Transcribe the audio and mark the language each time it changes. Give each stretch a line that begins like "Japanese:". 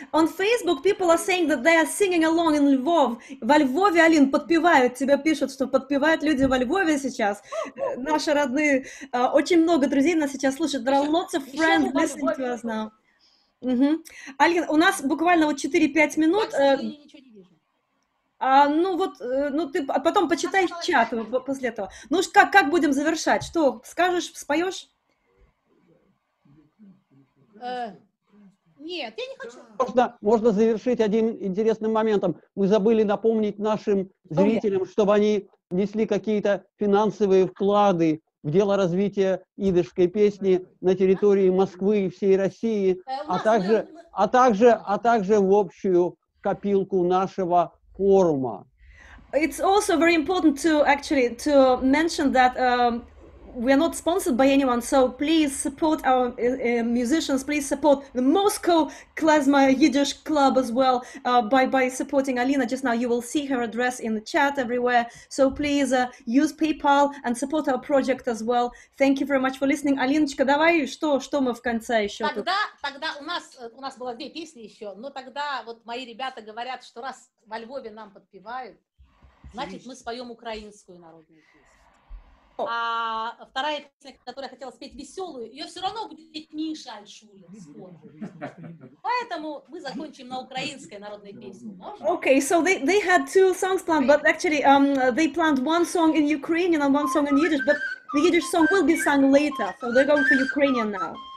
English: On Facebook people are saying that they are singing along in Lviv.
Russian: Во Львове, Алин, подпевают. Тебя пишут, что подпевают люди во Львове сейчас. Наши родные. Очень много друзей нас сейчас слушают.
English: There are lots of friends listening to us now.
Russian: Алин, у нас буквально вот 4-5 минут. Ты потом почитай чат после этого. Ну уж как будем завершать? Что, скажешь, споешь? Нет, я не хочу. Можно завершить одним интересным моментом. Мы забыли напомнить нашим зрителям, чтобы они внесли какие-то финансовые вклады в дело развития идышской песни на территории Москвы и всей России, а также в общую копилку нашего форума.
English: It's also very important to actually to mention that we are not sponsored by anyone, so please support our musicians, please support the Moscow Klezmer Yiddish Club as well, by supporting Alina. Just now you will see her address in the chat everywhere, so please use PayPal and support our project as well. Thank you very much for listening.
Russian: Алиночка, давай, что мы в конце еще? Тогда у нас было две песни еще, но тогда вот мои ребята говорят, что раз во Львове нам подпевают, значит, мы споем украинскую народную песню.
English: Oh.
Russian: А вторая песня, которую я хотела спеть, веселую, ее все равно будет петь Миша Альшулин. Поэтому мы закончим на украинской народной песне.
English: Okay, so they had two songs planned, but actually they planned one song in Ukrainian and one song in Yiddish, but the Yiddish song will be sung later, so they're going for Ukrainian now.